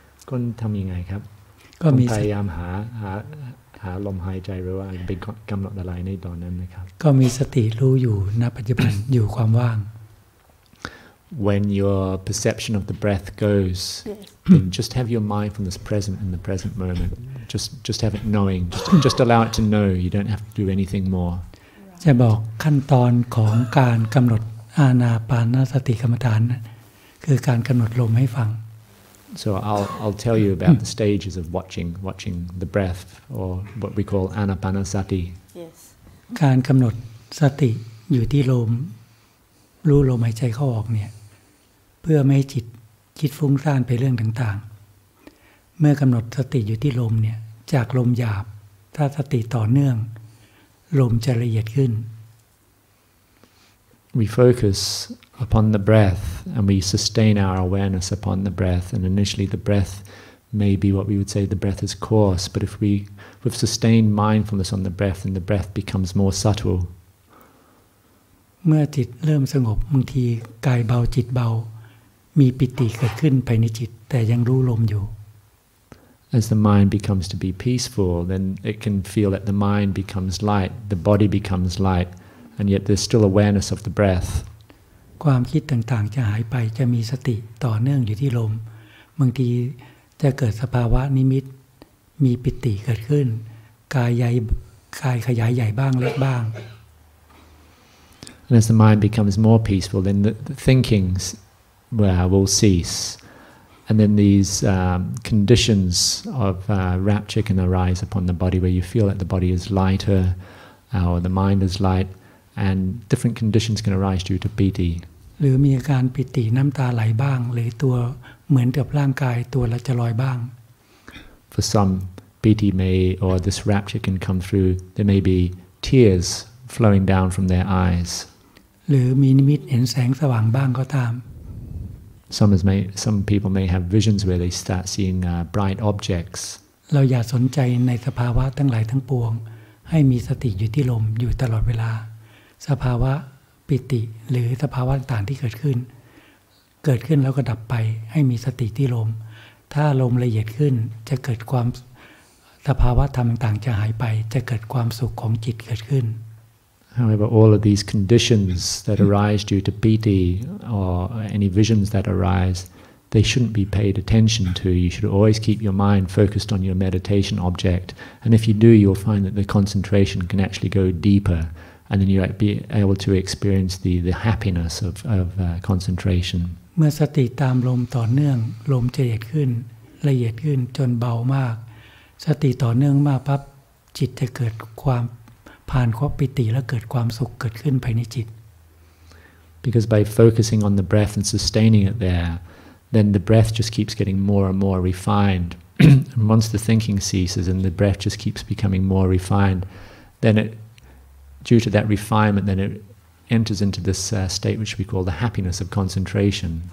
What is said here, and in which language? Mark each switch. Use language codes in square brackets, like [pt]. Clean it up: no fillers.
[th] คนทำยังไงครับก็มีพยายามหาลมหายใจหรือว่าเป็นกำหนดอะไรในตอนนั้นนะครับ ก็มีสติรู้อยู่ณปัจจุบันอยู่ความว่าง [en] When your perception of the breath goes then just have your mindfulness present in the present moment just have it knowing just allow it to know you don't have to do anything more [th] จะบอกขั้นตอนของการกำหนดอานาปานสติกรรมฐานคือการกำหนดลมให้ฟัง [en] So I'll tell you about the stages of watching the breath, or what we call anapanasati. Yes. [th] การกำหนดสติอยู่ที่ลมรู้ลมหายใจเข้าออกเนี่ยเพื่อไม่ให้จิตคิดฟุ้งซ่านไปเรื่องต่างๆเมื่อกำหนดสติอยู่ที่ลมเนี่ยจากลมหยาบถ้าสติต่อเนื่องลมจะละเอียดขึ้น [en] We focus. Upon the breath, and we sustain our awareness upon the breath. And initially, the breath may be what we would say the breath is coarse, but if we with sustained mindfulness on the breath, then the breath becomes more subtle. [th] เมื่อจิตเริ่มสงบบางทีกายเบาจิตเบามีปิติเกิดขึ้นภายในจิตแต่ยังรู้ลมอยู่ [en] As the mind becomes to be peaceful, then it can feel that the mind becomes light, the body becomes light, and yet there's still awareness of the breath. [th] ความคิดต่างๆจะหายไปจะมีสติต่อเนื่องอยู่ที่ลมบางทีจะเกิดสภาวะนิมิตมีปิติเกิดขึ้นกายขยายใหญ่บ้างเล็กบ้าง [en] And as the mind becomes more peaceful, then the thinkings will cease. And then these conditions of rapture can arise upon the body, where you feel that the body is lighter or the mind is light, and different conditions can arise due to piti. [th] หรือมีอาการปิติน้ำตาไหลบ้างหรือตัวเหมือนกับร่างกายตัวละจะลอยบ้าง [en] For some, piti may, or this rapture can come through, there may be tears flowing down from their eyes. [th] หรือมีนิมิตเห็นแสงสว่างบ้างก็ตาม [en] Some people may have visions where they start seeing bright objects. [th] เราอย่าสนใจในสภาวะทั้งหลายทั้งปวงให้มีสติอยู่ที่ลมอยู่ตลอดเวลาสภาวะปิติหรือสภาวะต่างๆที่เกิดขึ้นแล้วก็ดับไปให้มีสติที่ลมถ้าลมละเอียดขึ้นจะเกิดความสภาวะธรรมต่างๆจะหายไปจะเกิดความสุขของจิตเกิดขึ้น [en] However, all of these conditions that arise due to piti or any visions that arise, they shouldn't be paid attention to. You should always keep your mind focused on your meditation object. And if you do, you'll find that the concentration can actually go deeper. And then you'll be able to experience the happiness of concentration. [th] เมื่อสติตามลมต่อเนื่องลมจะละเอียดขึ้นละเอียดขึ้นจนเบามากสติต่อเนื่องมากปั๊บจิตจะเกิดความผ่านความปิติแล้วเกิดความสุขเกิดขึ้นภายในจิต [en] Because by focusing on the breath and sustaining it there, then the breath just keeps getting more and more refined. And once the thinking ceases and the breath just keeps becoming more refined, then it, due to that refinement, then it enters into this state which we call the happiness of concentration.